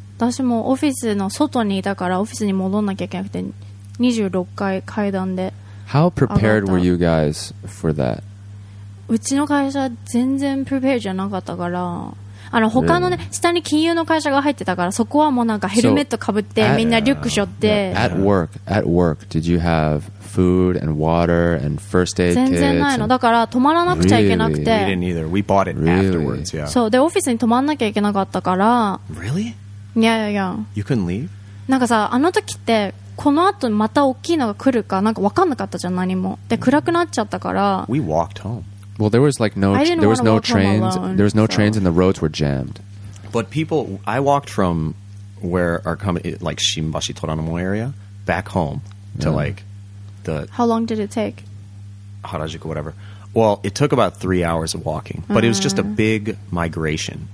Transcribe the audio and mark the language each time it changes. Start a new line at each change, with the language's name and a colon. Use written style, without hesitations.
Japanese: 私もオフィスの外にいたから、オフィスに戻んなきゃいけなくて、26階階段で。
English: How prepared were you guys for that?
Japanese: うちの会社全然プレペアじゃなかったから、あの他のね、
English: really?
Japanese: 下に金融の会社が入ってたから、そこはもうなんかヘルメットかぶって、
English: so、
Japanese: みんなリュック背負って。
English: At work, did you have food and water and first aid kits?
Japanese: 全然ないの。だから泊まらなくちゃいけなくて。
English: Really? We didn't either. We bought it afterwards. Yeah.
Japanese: そうでオフィスに泊まんなきゃいけなかったから。
English: Really? Yeah. You couldn't leave?
Japanese: なんかさあの時ってこの後また大きいのが来るかなんか分かんなかったじゃん何も。で暗くなっちゃったから。
English: We walked home. Well, there was like no, there was no trains. Alone, there was no trains, and the roads were jammed. But people, I walked from where our company, like Shimbashi Toranomo area, back home to like the. How long did it take? Harajuku, whatever. Well, it took about 3 hours of walking, but it was just a big migration.